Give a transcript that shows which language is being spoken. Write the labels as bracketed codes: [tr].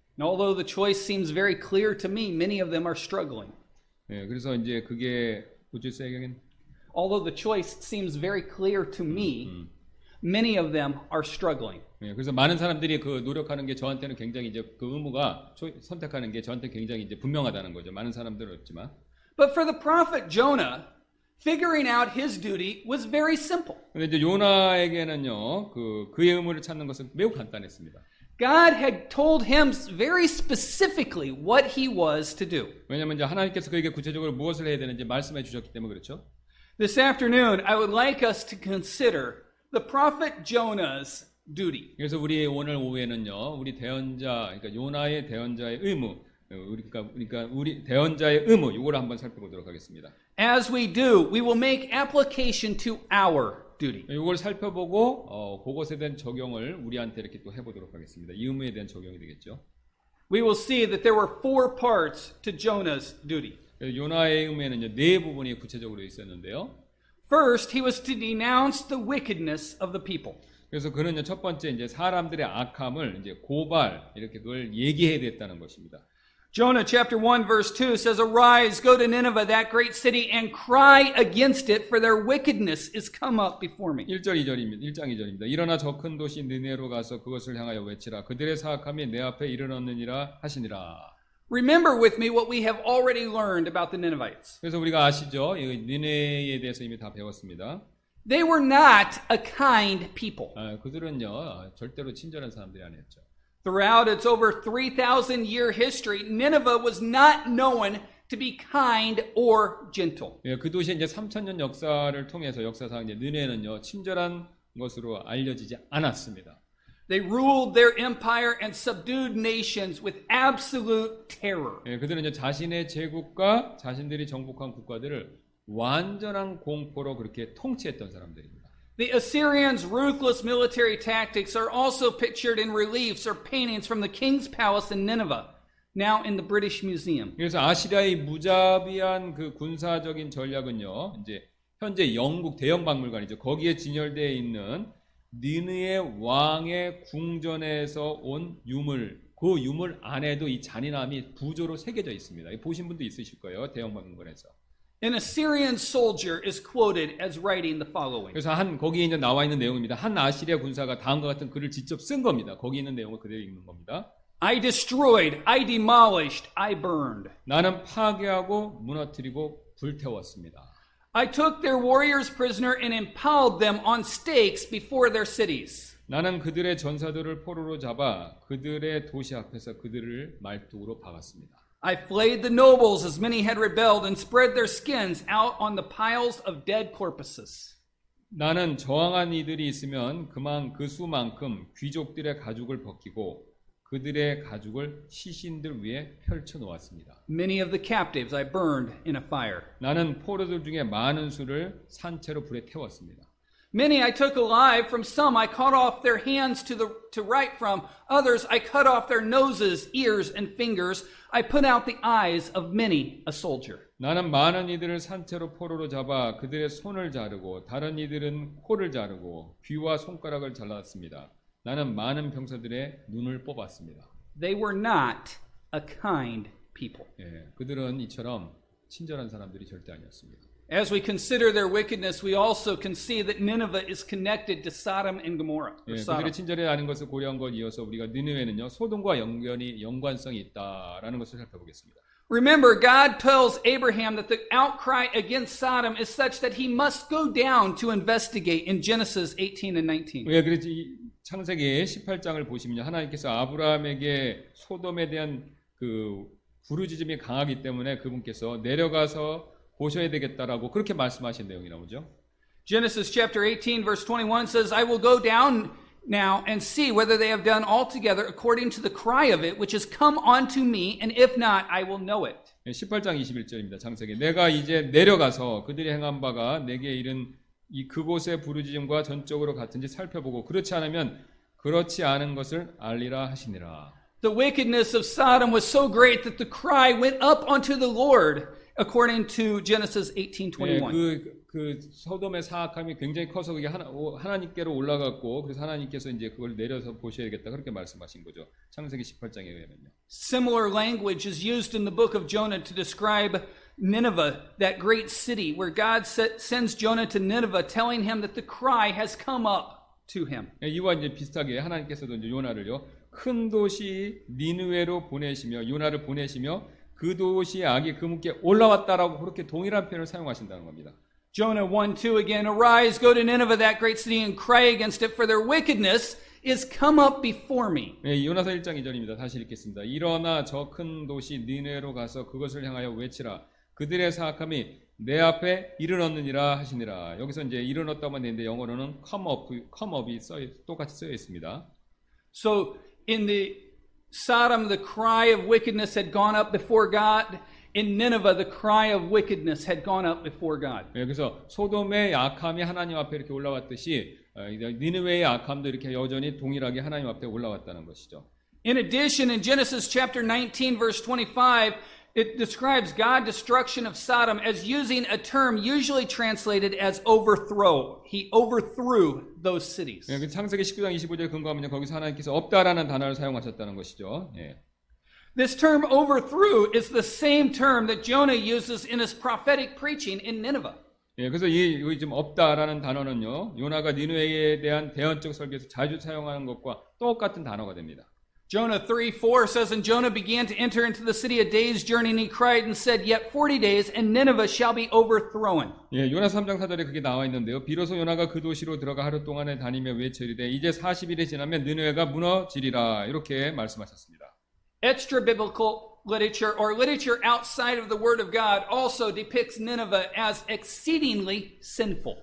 [en] And although the choice seems very clear to me, many of them are struggling. [ko] 예, 그래서 이제 그게 우주세경인. [en] Although the choice seems very clear to me, many of them are struggling. [ko] 예, 그래서 많은 사람들이 그 노력하는 게 저한테는 굉장히 이제 그 의무가 선택하는 게 저한테 굉장히 이제 분명하다는 거죠. 많은 사람들은 없지만. [en] But for the prophet Jonah, figuring out his duty was very simple. [ko] 근데 이제 요나에게는요, 그의 의무를 찾는 것은 매우 간단했습니다. [en] God had told him very specifically what he was to do. [ko] 왜냐면 이제 하나님께서 그에게 구체적으로 무엇을 해야 되는지 말씀해 주셨기 때문에 그렇죠. [en] This afternoon, I would like us to consider the prophet Jonah's duty. [ko] 그래서 우리 오늘 오후에는요, 우리 대언자, 그러니까 요나의 대언자의 의무, 그러니까 우리 대언자의 의무, 이거를 한번 살펴보도록 하겠습니다. [en] As we do, we will make application to our duty. [ko] 이걸 살펴보고 그것에 대한 적용을 우리한테 이렇게 또 해보도록 하겠습니다. 이 의무에 대한 적용이 되겠죠. [en] We will see that there were four parts to Jonah's duty. [ko] 요나의 의무에는 네 부분이 구체적으로 있었는데요. [en] First, he was to denounce the wickedness of the people. [ko] 그래서 그는 첫 번째 이제 사람들의 악함을 이제 고발 이렇게 그걸 얘기해야 됐다는 것입니다. [en] Jonah chapter 1 verse 2 says, Arise, go to Nineveh, that great city, and cry against it, for their wickedness is come up before me. [ko] 1절 2절입니다. 1장 2절입니다. 일어나 저 큰 도시 니네로 가서 그것을 향하여 외치라. 그들의 사악함이 내 앞에 이르렀느니라 하시니라. [en] Remember with me what we have already learned about the Ninevites. [ko] 그래서 우리가 아시죠? 니네에 대해서 이미 다 배웠습니다. [en] They were not a kind people. [ko] 그들은요, 절대로 친절한 사람들이 아니었죠. [en] Throughout its over 3,000 year history, Nineveh was not known to be kind or gentle. [ko] 예, 그 도시의 이제 3,000년 역사를 통해서 역사상 이제 니네는요, 친절한 것으로 알려지지 않았습니다. [en] They ruled their empire and subdued nations with absolute terror. [ko] 예, 그들은 이제 자신의 제국과 자신들이 정복한 국가들을 완전한 공포로 그렇게 통치했던 사람들입니다. [en] The Assyrians' ruthless military tactics are also pictured in reliefs or paintings from the king's palace in Nineveh, now in the British Museum. [ko] 그래서 아시리아의 무자비한 그 군사적인 전략은요, 이제 현재 영국 대영 박물관이죠. 거기에 진열되어 있는 니느웨 왕의 궁전에서 온 유물, 그 유물 안에도 이 잔인함이 부조로 새겨져 있습니다. 보신 분도 있으실 거예요, 대영 박물관에서. [en] An Assyrian soldier is quoted as writing the following. [ko] 그래서 한 거기에 이제 나와 있는 내용입니다. 한 아시리아 군사가 다음과 같은 글을 직접 쓴 겁니다. 거기 있는 내용을 그대로 읽는 겁니다. [en] I destroyed, I demolished, I burned. [ko] 나는 파괴하고 무너뜨리고 불태웠습니다. [en] I took their warriors prisoner and impaled them on stakes before their cities. [ko] 나는 그들의 전사들을 포로로 잡아 그들의 도시 앞에서 그들을 말뚝으로 박았습니다. [en] I flayed the nobles as many had rebelled and spread their skins out on the piles of dead corpses. [ko] 나는 저항한 이들이 있으면 그만 그 수만큼 귀족들의 가죽을 벗기고 그들의 가죽을 시신들 위에 펼쳐 놓았습니다. [en] Many of the captives I burned in a fire. [ko] 나는 포로들 중에 많은 수를 산채로 불에 태웠습니다. [en] Many I took alive from some I cut off their hands to write from others I cut off their noses ears and fingers I put out the eyes of many a soldier. [ko] 나는 많은 이들을 산채로 포로로 잡아 그들의 손을 자르고 다른 이들은 코를 자르고 귀와 손가락을 잘랐습니다. 나는 많은 병사들의 눈을 뽑았습니다. [en] They were not a kind people. [ko] 예, 그들은 이처럼 친절한 사람들이 절대 아니었습니다. [en] As we consider their wickedness, we also can see that Nineveh is connected to Sodom and Gomorrah. [ko] 예, 그들이 친절하다는 것을 고려한 것 이어서 우리가 니느웨는요 소돔과 연관성이 있다라는 것을 살펴보겠습니다. [en] Remember, God tells Abraham that the outcry against Sodom is such that he must go down to investigate in Genesis 18 and 19. [ko] 예, 그렇지. 창세기 18장을 보시면 하나님께서 아브라함에게 소돔에 대한 그 부르짖음이 강하기 때문에 그분께서 내려가서 보셔야 되겠다라고 그렇게 말씀하신 내용이 나오죠. [en] Genesis chapter 18 verse 21 says I will go down now and see whether they have done altogether according to the cry of it which has come unto me and if not I will know it. [ko] 18장 21절입니다. 창세기 내가 이제 내려가서 그들이 행한 바가 내게 이른 이 그곳의 부르짖음과 전적으로 같은지 살펴보고 그렇지 않으면 그렇지 않은 것을 알리라 하시니라. [en] The wickedness of Sodom was so great that the cry went up unto the Lord according to Genesis 18:21. [ko] 네, 그 소돔의 사악함이 굉장히 커서 그게 하나님께로 올라갔고 그래서 하나님께서 이제 그걸 내려서 보셔야겠다 그렇게 말씀하신 거죠. 창세기 18장에 의하면요. [en] Similar language is used in the book of Jonah to describe Nineveh, that great city where God sends Jonah to Nineveh telling him that the cry has come up to him. [ko] 이와 이제 비슷하게 하나님께서도 이제 요나를요. 큰 도시 니느웨로 보내시며 요나를 보내시며 그 도시의 악이 그분께 올라왔다라고 그렇게 동일한 표현을 사용하신다는 겁니다. [en] Jonah 1:2 again arise go to Nineveh that great city and cry against it for their wickedness is come up before me. [ko] 예, 요나서 1장 2절입니다. 다시 읽겠습니다. 일어나 저 큰 도시 니느웨로 가서 그것을 향하여 외치라. 그들의 사악함이 내 앞에 이르렀느니라 하시니라. 여기서 이제 이르렀다고 했는데 영어로는 [en] come up [ko] 이 똑같이 쓰여 있습니다. [en] So in the Sodom the cry of wickedness had gone up before God. In Nineveh the cry of wickedness had gone up before God. [ko] 예, 그래서 소돔의 악함이 하나님 앞에 이렇게 올라왔듯이 니느웨의 악함도 이렇게 여전히 동일하게 하나님 앞에 올라왔다는 것이죠. [en] In addition, in Genesis chapter 19, verse 25, it describes God's destruction of Sodom as using a term usually translated as overthrow. He overthrew those cities. [ko] 예, 창세기 19장 25절 근거하면 거기서 하나님께서 없다라는 단어를 사용하셨다는 것이죠. 예. [en] This term overthrew is the same term that Jonah uses in his prophetic preaching in Nineveh. [ko] 예, 그래서 이 지금 없다라는 단어는요, 요나가 니느웨에 대한 대언적 설교에서 자주 사용하는 것과 똑같은 단어가 됩니다. [en] Jonah 3:4 says, And Jonah began to enter into the city a day's journey, and he cried and said, Yet 40 days, and Nineveh shall be overthrown. [ko] 예, 요나 3장 4절에 그게 나와 있는데요. 비로소 요나가 그 도시로 들어가 하루 동안에 다니며 외쳐 이르되 이제 40일이 지나면 느느웨가 무너지리라. 이렇게 말씀하셨습니다. [en] Extra biblical literature or literature outside of the word of God also depicts Nineveh as exceedingly sinful.